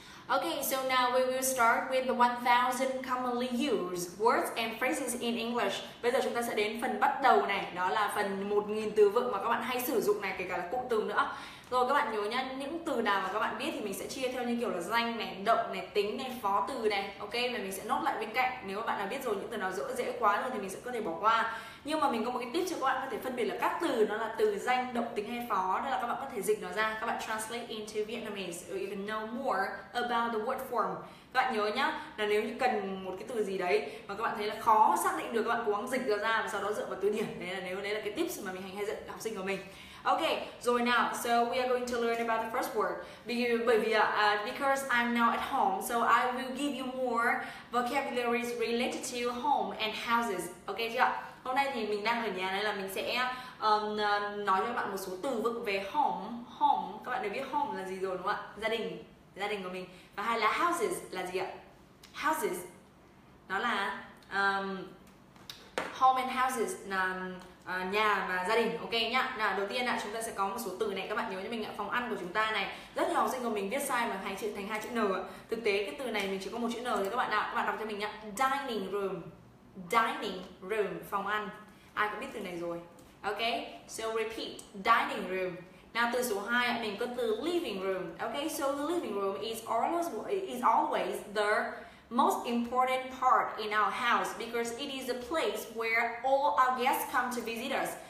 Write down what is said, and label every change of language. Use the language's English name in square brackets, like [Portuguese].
[English] Ok, so now we will start with the 1000 commonly used words and phrases in English. [Vietnamese] Bây giờ chúng ta sẽ đến phần bắt đầu này, đó là phần 1000 từ vựng mà các bạn hay sử dụng này, kể cả là cụm từ nữa. Rồi các bạn nhớ nhá, những từ nào mà các bạn biết thì mình sẽ chia theo như kiểu là danh này, động này, tính này, phó từ này. Ok, và mình sẽ nốt lại bên cạnh. Nếu mà bạn nào biết rồi, những từ nào dễ quá rồi thì mình sẽ có thể bỏ qua. Nhưng mà mình có một cái tip cho các bạn có thể phân biệt là các từ nó là từ danh, động, tính hay phó. Đó là các bạn có thể dịch nó ra, các bạn [English] translate into Vietnamese or even know more about the word form. [Vietnamese] Các bạn nhớ nhá, là nếu như cần một cái từ gì đấy mà các bạn thấy là khó xác định được, các bạn cố gắng dịch nó ra và sau đó dựa vào từ điển. Đấy là cái tips mà mình hay dạy học sinh của mình. [English] Okay, [Vietnamese] rồi nào, [English] so we are going to learn about the first word. Because I'm now at home, so I will give you more vocabularies related to home and houses. [Vietnamese] Okay chưa? Hôm nay thì mình đang ở nhà nên là mình sẽ nói cho các bạn một số từ vựng về home. Home, các bạn đều biết home là gì rồi đúng không ạ? Gia đình của mình. Và hay là houses là gì ạ? Houses, nó là home and houses là nhà và gia đình, ok nhá. Nào, đầu tiên ạ, chúng ta sẽ có một số từ này, các bạn nhớ cho mình ạ, phòng ăn của chúng ta này. Rất nhiều học sinh của mình viết sai mà hay chữ thành hai chữ N ạ. Thực tế cái từ này mình chỉ có một chữ N thôi các bạn ạ. Các bạn đọc cho mình ạ. Dining room. Dining room, phòng ăn. Ai cũng biết từ này rồi. Ok? [English] So repeat, dining room. [Vietnamese] Nào, từ số 2 ạ, mình có từ living room. [English] Ok? So the living room is always the most important part in our house because it is the place where all our guests come to visit us.